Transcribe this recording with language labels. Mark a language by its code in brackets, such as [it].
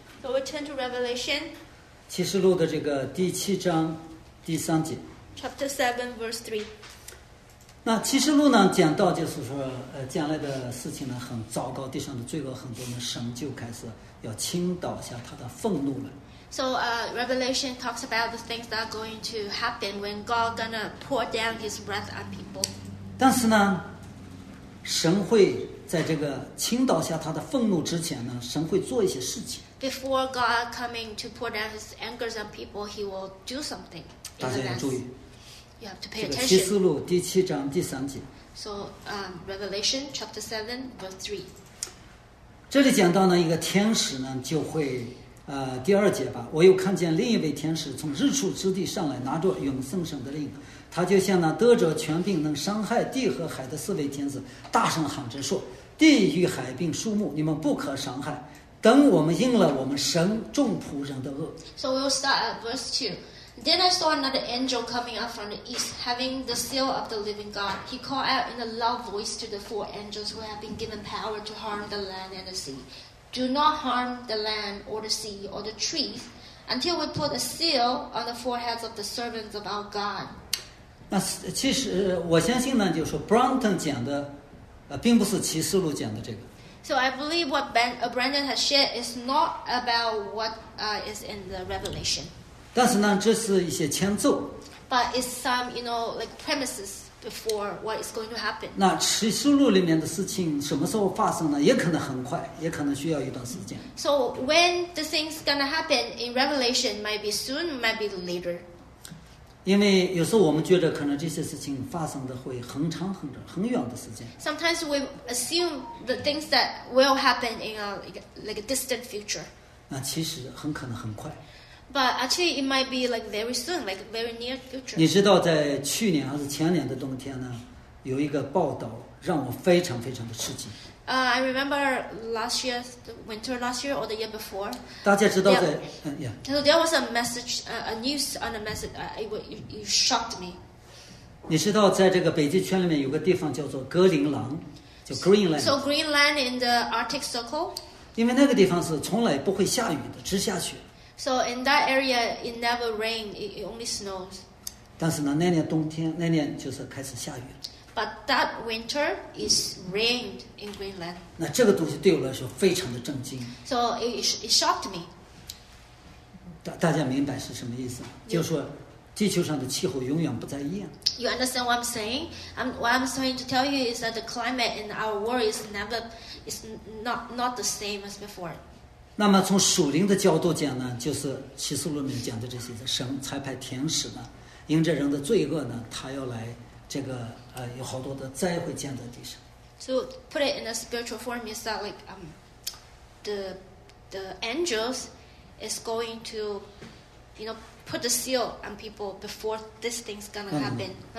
[en] So we turn to Revelation. [zh] 启示录的这个第七章第三节。 [en] Chapter 7, verse 3. [zh] 那启示录呢，讲到就是说，将来的事情呢很糟糕，地上的罪恶很多呢，神就开始要倾倒下他的愤怒了。 [en] So Revelation talks about the things that are going to happen when God gonna pour down His wrath on people. [zh] 但是呢，神会。在这个倾倒下他的愤怒之前呢，神会做一些事情。 [en] Before God coming to pour down His anger on people, He will do something. [zh] 大家要注意。 [en] You have to pay attention. [zh] 启示录第七章第三节。 [en] So, Revelation chapter 7, verse 3. [zh] 这里讲到呢，一个天使呢就会，第二节吧。我又看见另一位天使从日出之地上来，拿着永生神的令。他就像那得着权柄能伤害地和海的四位天子，大声喊着说：“地与海并树木，你们不可伤害。等我们应了我们神众仆人的恶。” [en] So we'll start at verse 2. Then I saw another angel coming up from the east, having the seal of the living God. He called out in a loud voice to the four angels who have been given power to harm the land and the sea: Do not harm the land or the sea or the trees until we put a seal on the foreheads of the servants of our God. [zh] 那其实我相信呢，就是说 Brandon 讲的，并不是启示录讲的这个。 [en] So I believe what Brandon has shared is not about what is in the Revelation. [zh] 但是呢，这是一些前奏。 [en] But it's some, you know, like premises before what is going to happen. [zh] 那启示录里面的事情什么时候发生呢？也可能很快，也可能需要一段时间。 [en] So when the things gonna happen in Revelation, might be soon, might be later. [zh] 因为有时候我们觉得可能这些事情发生的会很长很长很远的时间。 [en] Sometimes we assume the things that will happen in a like a distant future. [zh] 那其实很可能很快。 [en] But actually, it might be like very soon, like very near future. [zh] 你知道，在去年还是前年的冬天呢，有一个报道让我非常非常的吃惊。 [en] I remember last year, the winter last year or the year before. [zh] 大家知道在 [en] So there was a message, a news on a message. It shocked me. [zh] 你知道，在这个北极圈里面有个地方叫做格陵兰，叫 Greenland. [en] So Greenland in the Arctic Circle. [zh] 因为那个地方是从来不会下雨的，只下雪。 [en] So in that area, it never rains. It only snows. [zh] 但是呢，那年冬天，那年就是开始下雨了。 [en] But that winter is rained in Greenland. [zh] 那这个东西对我来说非常的震惊。 [en] So it shocked me. [zh] 大家明白是什么意思吗？就是说，地球上的气候永远不再一样。 [en] You understand what I'm saying? What I'm trying to tell you is that the climate in our world is not the same as before. [zh] 那么从属灵的角度讲呢，就是启示录里面讲的这些神差派天使呢，因着人的罪恶呢，他要来这个有好多的灾会降在地上。 [en] So put it in a spiritual form is that like the angels is going to you know put the seal on people before this thing's gonna happen.